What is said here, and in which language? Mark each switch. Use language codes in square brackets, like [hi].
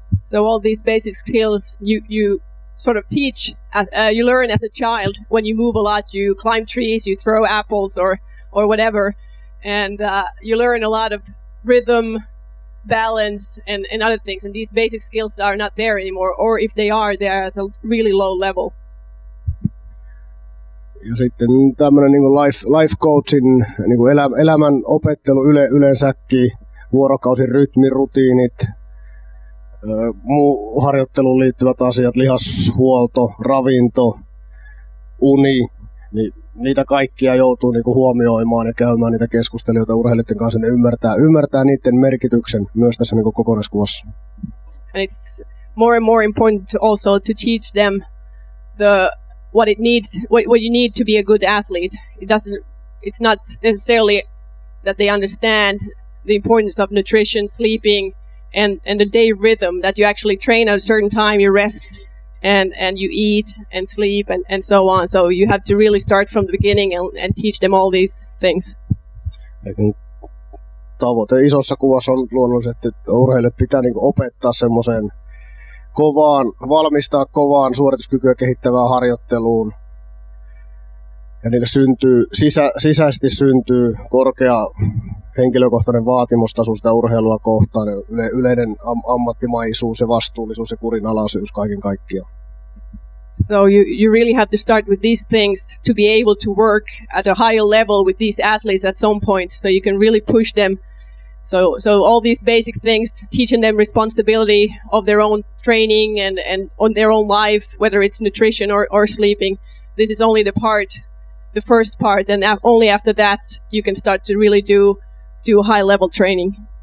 [en] So all these basic skills you sort of teach, you learn as a child when you move a lot, you climb trees, you throw apples or whatever, and you learn a lot of rhythm, balance and other things, and these basic skills are not there anymore, or if they are, they are at a really low level. [fi] Ja sitten tämmöinen niin kuin life coachin niin kuin elämän opettelu yleensäkin, vuorokausin rytmirutiinit, muu harjoitteluun liittyvät asiat, lihashuolto, ravinto, uni, niin niitä kaikkia joutuu niin kuin huomioimaan ja käymään niitä keskustelijoita urheilijoiden kanssa, ne ymmärtää niiden merkityksen myös tässä niin kuin kokonaiskuvassa. [en] And it's more and more important also to teach them the what it needs, what you need to be a good athlete. It's not necessarily that they understand the importance of nutrition, sleeping, and the day rhythm, that you actually train at a certain time, you rest and you eat and sleep and so on. So you have to really start from the beginning and teach them all these things. [fi] Tavoite isossa kuvassa on luonnollisesti, että urheilijat pitää niin kuin opettaa semmoiseen kovaan, valmistaa kovaan suorituskykyä kehittävään harjoitteluun. Ja niille syntyy, sisäisesti syntyy korkea henkilökohtainen vaatimustaso sitä urheilua kohtaan. Yleinen ammattimaisuus ja vastuullisuus ja kurinalaisuus kaiken kaikkiaan. [en] So you really have to start with these things to be able to work at a higher level with these athletes at some point. So you can really push them. So all these basic things, teaching them responsibility of their own training and on their own life, whether it's nutrition or sleeping, this is only the first part, and only after that you can start to really do high level training.